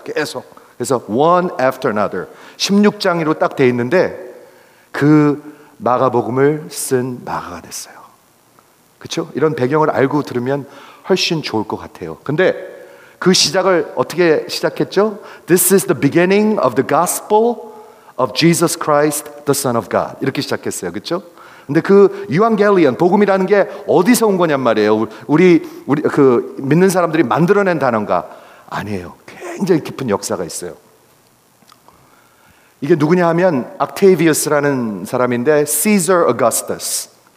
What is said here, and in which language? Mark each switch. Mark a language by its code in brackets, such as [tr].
[ko] 계속. 그래서 [en] one after another. [ko] 16장으로 딱 돼 있는데 그 마가복음을 쓴 마가가 됐어요. 그렇죠? 이런 배경을 알고 들으면 훨씬 좋을 것 같아요. 근데 그 시작을 어떻게 시작했죠? [en] This is the beginning of the gospel of Jesus Christ, the Son of God. [ko] 이렇게 시작했어요. 그렇죠? 근데 그 유앙겔리언, 복음이라는 게 어디서 온 거냔 말이에요. 우리 그 믿는 사람들이 만들어낸 단어인가? 아니에요. 굉장히 깊은 역사가 있어요. 이게 누구냐 하면 Octavius라는 사람인데 Caesar Augustus.